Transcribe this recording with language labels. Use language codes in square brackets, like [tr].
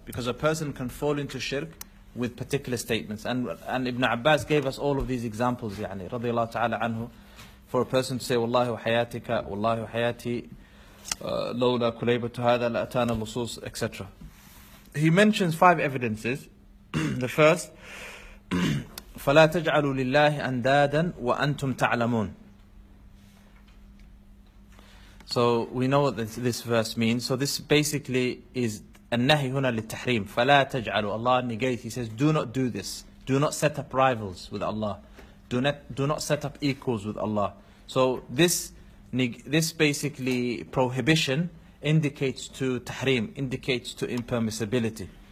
[en] Because a person can fall into shirk with particular statements. And Ibn Abbas gave us all of these examples, [ar] يعني رضي الله تعالى عنه, [en] for a person to say, [ar] والله وحياتك, والله وحياتي, لولا كليبة هذا لأتانا اللصوص, [en] etc. He mentions five evidences. The first, [ar] فلا تجعلوا لله أندادا وأنتم تعلمون. [en] So we know what this verse means. So this basically is [ar] النهي هنا للتحريم. فلا تجعلوا, [en] Allah negates. He says, do not do this. Do not set up rivals with Allah. Do not set up equals with Allah. So this basically prohibition indicates to tahrim, indicates to impermissibility.